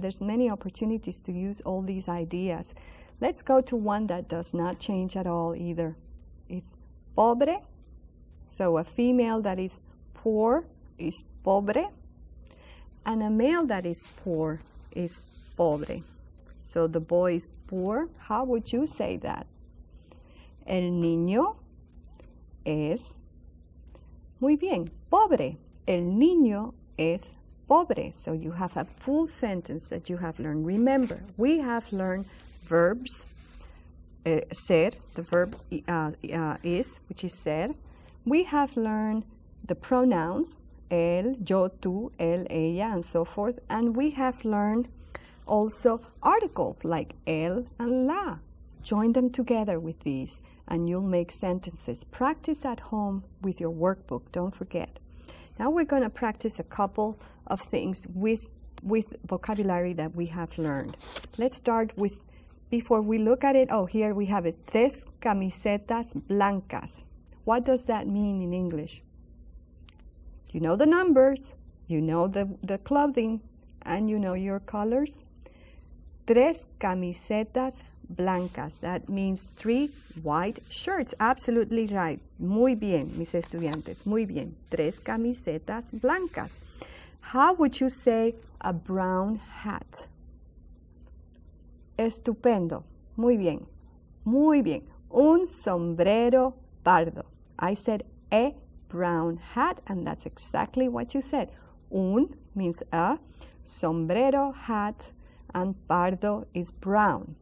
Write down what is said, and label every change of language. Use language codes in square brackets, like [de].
[en] There's many opportunities to use all these ideas. Let's go to one that does not change at all either. It's pobre. So a female that is poor is pobre. And a male that is poor is pobre. So the boy is poor. How would you say that? [es] El niño es, muy bien, pobre. El niño es pobre. [en] So you have a full sentence that you have learned. Remember, we have learned verbs, ser, the verb is, which is ser, we have learned the pronouns, él, yo, tú, él, ella, and so forth, and we have learned also articles like él and la. Join them together with these, and you'll make sentences. Practice at home with your workbook, don't forget. Now we're going to practice a couple of things with vocabulary that we have learned. Let's start with, before we look at it, oh, here we have it, [es] tres camisetas blancas. [en] What does that mean in English? You know the numbers, you know the clothing, and you know your colors. [es] Tres camisetas blancas. [en] That means three white shirts. Absolutely right. [es] Muy bien, mis estudiantes. Muy bien. Tres camisetas blancas. [en] How would you say a brown hat? [es] Estupendo. Muy bien. Muy bien. Un sombrero pardo. [en] I said a brown hat, and that's exactly what you said. Un means a, sombrero, hat, and pardo is brown.